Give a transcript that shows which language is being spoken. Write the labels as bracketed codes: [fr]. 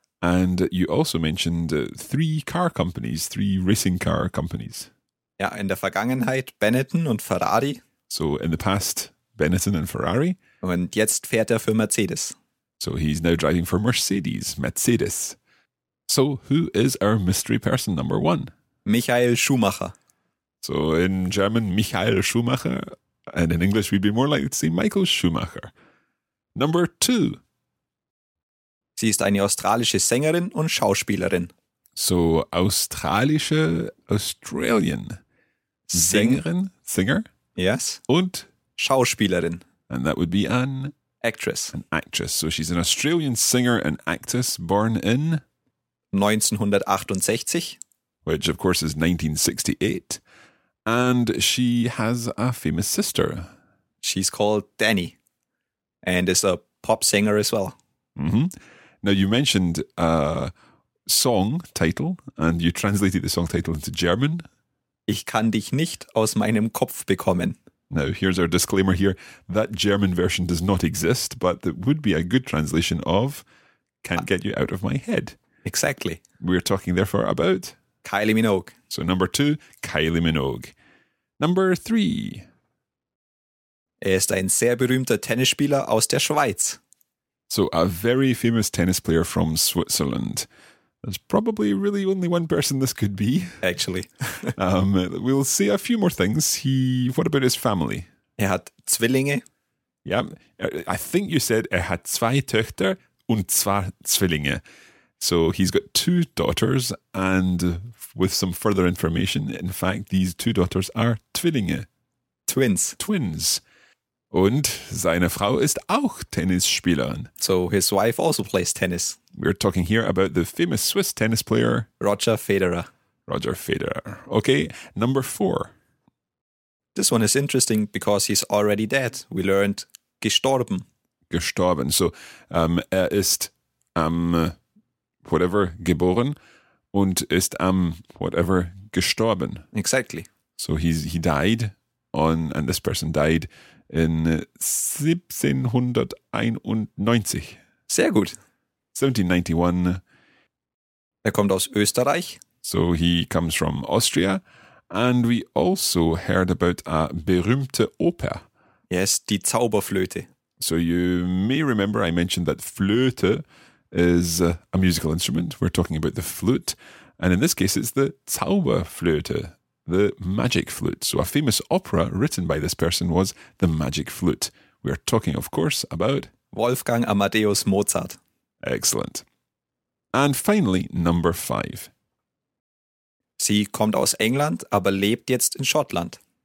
[en] And you also mentioned 3 racing car companies. [de] Ja, in der Vergangenheit Benetton und Ferrari. [en] So in the past, Benetton and Ferrari. [de] Und jetzt fährt er für Mercedes. [en] So he's now driving for Mercedes. So who is our mystery person number 1? [de] Michael Schumacher. [en] So in German, Michael Schumacher. And in English, we'd be more likely to say Michael Schumacher. Number 2. [de] Sie ist eine australische Sängerin und Schauspielerin. [en] So, australische, Australian. Sängerin, singer. Yes. [de] Und? Schauspielerin. [en] And that would be an? Actress. An actress. So she's an Australian singer and actress born in? 1968. Which of course is 1968. And she has a famous sister. She's called Dani. And is a pop singer as well. Mm-hmm. Now, you mentioned a song title and you translated the song title into German. [de] Ich kann dich nicht aus meinem Kopf bekommen. [en] Now, here's our disclaimer here. That German version does not exist, but that would be a good translation of Can't Get You Out of My Head. Exactly. We're talking therefore about Kylie Minogue. So number 2, Kylie Minogue. Number 3. [de] Er ist ein sehr berühmter Tennisspieler aus der Schweiz. [en] So, a very famous tennis player from Switzerland. There's probably really only one person this could be. Actually. we'll say a few more things. What about his family? [de] Er hat Zwillinge. [en] Yeah, I think you said [de] er hat 2 Töchter und 2 Zwillinge. [en] So, he's got 2 daughters and with some further information, in fact, these 2 daughters are Zwillinge. Twins. [de] Und seine Frau ist auch Tennisspielerin. [en] So his wife also plays tennis. We're talking here about the famous Swiss tennis player. Roger Federer. Okay, number 4. This one is interesting because he's already dead. We learned gestorben. [de] Gestorben. So er ist am whatever geboren und ist am whatever gestorben. [en] Exactly. So he died on, and this person died in 1791. [de] Sehr gut. 1791. Er kommt aus Österreich. [en] So he comes from Austria. And we also heard about a berühmte Oper. [de] Yes, die Zauberflöte. [en] So you may remember I mentioned that Flöte is a musical instrument. We're talking about the flute. And in this case, it's the Zauberflöte, the magic flute. So a famous opera written by this person was The Magic Flute. We're talking, of course, about Wolfgang Amadeus Mozart. Excellent. And finally, number five. [de] Sie kommt aus England, aber lebt jetzt in Schottland.